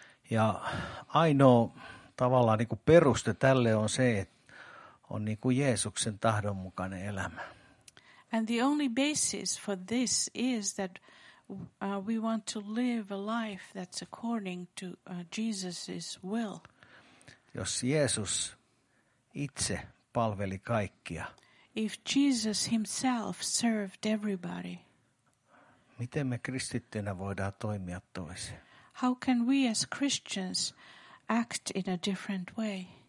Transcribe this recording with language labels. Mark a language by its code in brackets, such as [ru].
[fi] Ja ainoa tavallaan niinku peruste tälle on se, että on niinku Jeesuksen tahdon mukainen elämä. [en] And the only basis for this is that we want to live a life that's according to Jesus's will. [fi] Jos Jeesus itse palveli kaikkia. [en] If Jesus himself served everybody. [fi] Miten me kristittyinä voidaan toimia toisin? [en] How can we as Christians act in a different way?